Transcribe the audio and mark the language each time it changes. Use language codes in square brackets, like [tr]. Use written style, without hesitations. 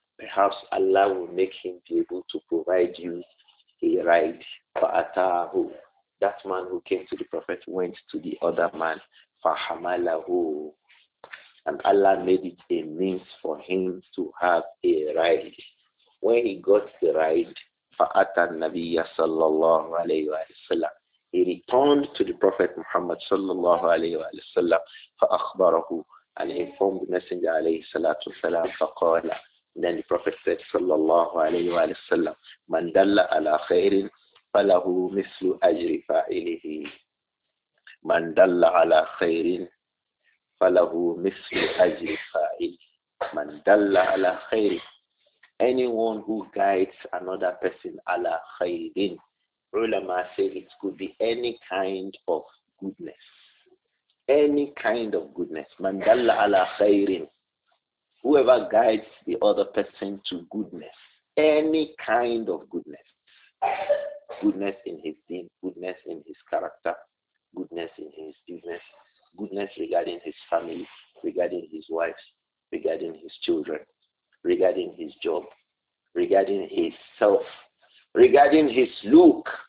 [en] Perhaps Allah will make him be able to provide you a ride. [ar] فَأَتَاهُ. [en] That man who came to the Prophet went to the other man. [ar] فَحَمَلَهُ. [en] And Allah made it a means for him to have a ride. When he got the ride, [ar] فَأَتَى النَّبِيَّ صَلَّى اللَّهُ عَلَيْهِ وَسَلَّمَ. [en] He returned to the Prophet Muhammad sallallahu alayhi wa sallam, [ar] فأخبره, [en] and informed the Messenger alayhi salatu salam, [ar] فقال. [en] Then the Prophet said sallallahu alayhi wa sallam, [ar] من دل على خير فله مثل أجر فاعله. من دل على خير فله مثل أجر فاعله. من دل على خير. [en] Anyone who guides another person [ar] على خير, [en] Ulama say it could be any kind of goodness. Any kind of goodness. Man dalla ala khairin. Whoever guides the other person to goodness. Any kind of goodness. Goodness in his deen, goodness in his character, goodness in his business, goodness regarding his family, regarding his wife, regarding his children, regarding his job, regarding his self, regarding his look.